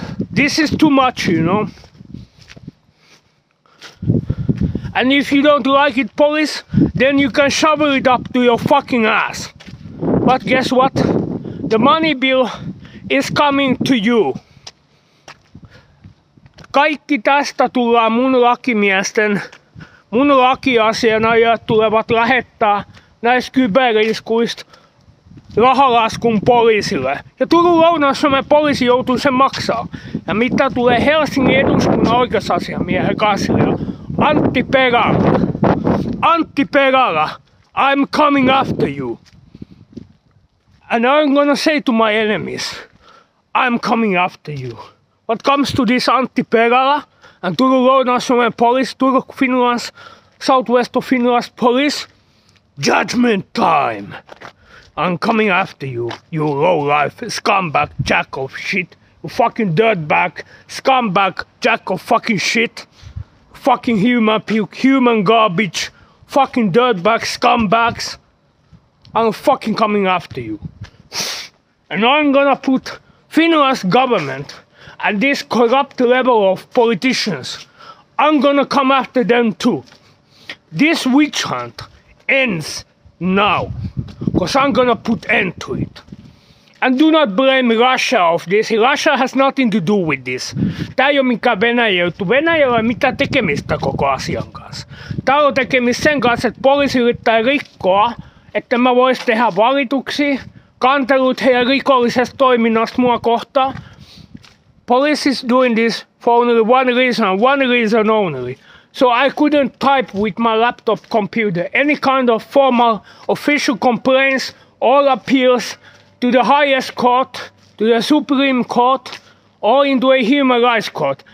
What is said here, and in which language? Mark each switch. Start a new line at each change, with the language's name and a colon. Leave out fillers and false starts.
English: This is too much, you know. And if you don't like it, police, then you can shovel it up to your fucking ass. But guess what? The money bill is coming to you.
Finnish: Kaikki tästä tullaan mun lakimiesten, mun lakiasianajat tulevat lähettää näistä kyberiskuista rahalaskun poliisille. Ja Turun Lounais-Suomen poliisi joutuu sen maksaa. Ja mitä tulee Helsingin eduskunnan oikeusasiamiehen kanslia? Antti Perala.
English: Antti Perala, I'm coming after you. And I'm gonna say to my enemies, I'm coming after you. What comes to this Antti Perala and Turun Lounais-Suomen police, Turun Finland's, Southwest of Finland's police? Judgment time. I'm coming after you, you low-life scumbag jack of shit. You fucking dirtbag scumbag jack of fucking shit. Fucking human puke, human garbage. Fucking dirtbag scumbags. I'm fucking coming after you. And I'm gonna put Finland's government and this corrupt level of politicians, I'm gonna come after them too. This witch hunt ends now, cause I'm gonna put end to it. And do not blame Russia of this. Russia has nothing to do with this.
Finnish: Tää ei oo mikään Venäjä juttu. Venäjällä ei mitään tekemistä koko asian kanssa. Tää on tekemistä sen kanssa, että poliisi yrittää rikkoa, että mä vois tehdä valituksia, kantelut heidän rikollisesta toiminnasta mua kohtaan.
English: Police is doing this for only one reason, and one reason only. So I couldn't type with my laptop computer any kind of formal official complaints or appeals to the highest court, to the Supreme Court, or into a human rights court.